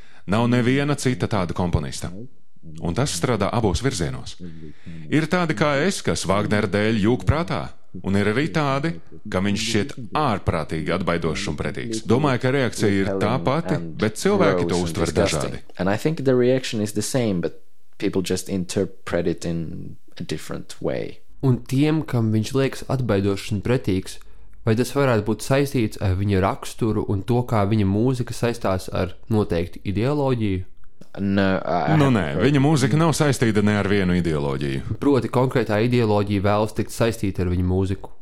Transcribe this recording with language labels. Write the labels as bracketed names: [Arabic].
[Latvian] Nav neviena cita tāda komponista. Un tas strādā abos virzienos. Ir tādi kā es, kas Vāgnera dēļ jūk prātā. Un ir arī tādi, ka viņš šķiet ārprātīgi atbaidošs un pretīgs. Domāju, ka reakcija ir tā pati, bet cilvēki to uztver dažādi. [English] And I think the reaction is the same, but people just interpret it in a different way. [Latvian] Un tiem, kam viņš liekas atbaidošs un pretīgs, vai tas varētu būt saistīts ar viņa raksturu un to, kā viņa mūzika saistās ar noteiktu ideoloģiju? Nē, viņa mūzika nav saistīta ne ar vienu ideoloģiju. Proti, konkrētā ideoloģija vēlas tikt saistīta ar viņa mūziku.